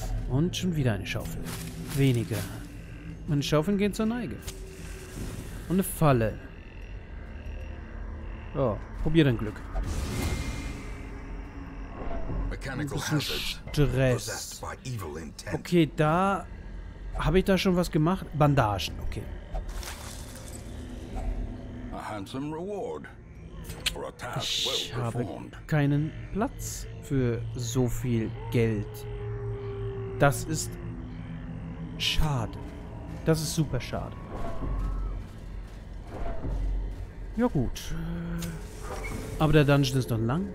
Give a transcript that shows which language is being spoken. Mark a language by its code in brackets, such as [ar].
[de] Und schon wieder eine Schaufel. Weniger. Meine Schaufeln gehen zur Neige. Und eine Falle. Oh, probier dein Glück. Stress. Okay, da habe ich da schon was gemacht. Bandagen, okay. [en] A handsome reward for a task well performed. [de] Ich habe keinen Platz für so viel Geld. Das ist schade. Das ist super schade. Ja gut. Aber der Dungeon ist noch lang.